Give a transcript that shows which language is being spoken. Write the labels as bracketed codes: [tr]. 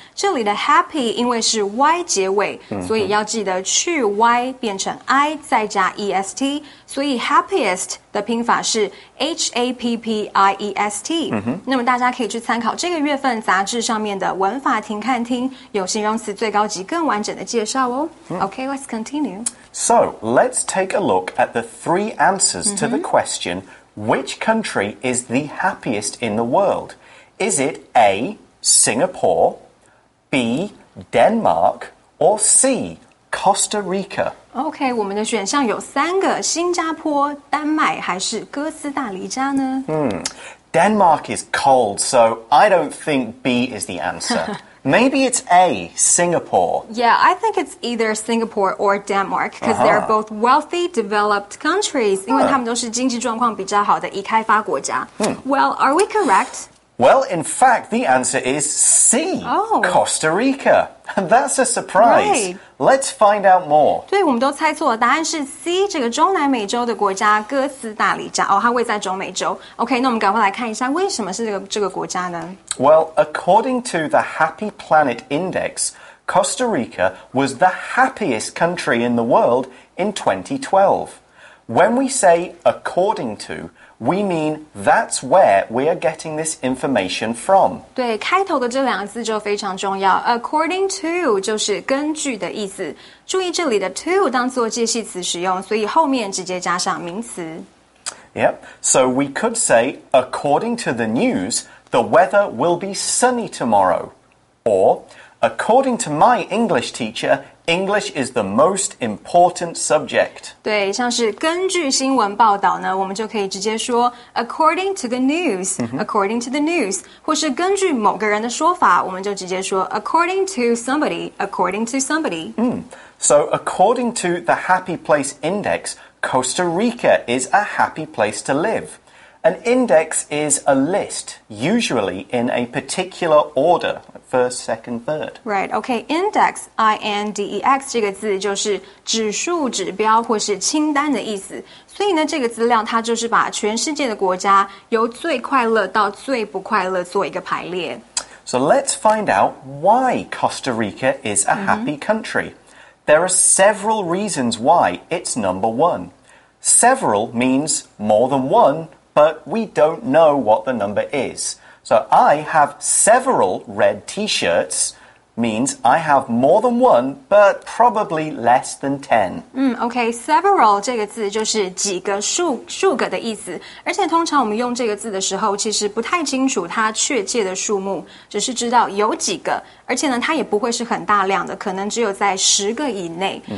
[zh] 这里的 happy 因为是 y 结尾，所以要记得去 y 变成 i 再加 est， 所以 happiest 的拼法是 h a p p i e s t。那么大家可以去参考这个月份杂志上面的文法听看听，有形容词最高级更完整的介绍哦。 [en] Okay, let's continue. So let's take a look at the three answers to the question. Which country is the happiest in the world? Is it A, Singapore, B, Denmark, or C, Costa Rica. [zh] OK, 我们的选项有三个，新加坡、丹麦还是哥斯达黎加呢？ [en] Denmark is cold, so I don't think B is the answer. Maybe it's A, Singapore. Yeah, I think it's either Singapore or Denmark, because they're both wealthy, developed countries. [zh] 因为他们都是经济状况比较好的已开发国家。 [en] Well, are we correct? Well, in fact, the answer is C, Costa Rica. That's a surprise. Right. Let's find out more. [zh] 对，我们都猜错了。答案是 C, 这个中南美洲的国家哥斯达黎加。哦，它位在中美洲。OK, 那我们赶快来看一下为什么是这个国家呢？ [en] Well, according to the Happy Planet Index, Costa Rica was the happiest country in the world in 2012. When we say according to... We mean that's where we are getting this information from. [zh] 对，开头的这两个字就非常重要。 According to 就是根据的意思。注意这里的 to 当作介系词使用，所以后面直接加上名词。 [en] Yep. So we could say, according to the news, the weather will be sunny tomorrow. Or, according to my English teacher,English is the most important subject. [zh] 对，像是根据新闻报道呢，我们就可以直接说 [en] according to the news,、 [zh] mm-hmm. [en] according to the news, [zh] 或是根据某个人的说法，我们就直接说 [en] according to somebody, according to somebody.、 Mm. So according to the Happy Place Index, Costa Rica is a happy place to live. An index is a list, usually in a particular order. First, second, third. [zh] Right, okay, index, I-N-D-E-X, 这个字就是指数、指标或是清单的意思。所以呢，这个资料它就是把全世界的国家由最快乐到最不快乐做一个排列。 [en] So let's find out why Costa Rica is a happy country. There are several reasons why it's number one. Several means more than one, but we don't know what the number is. So I have several red t-shirts, means I have more than one, but probably less than 10. [zh] Okay, several 这个字就是几个数个的意思。而且通常我们用这个字的时候其实不太清楚它确切的数目，只是知道有几个。而且呢它也不会是很大量的，可能只有在十个以内。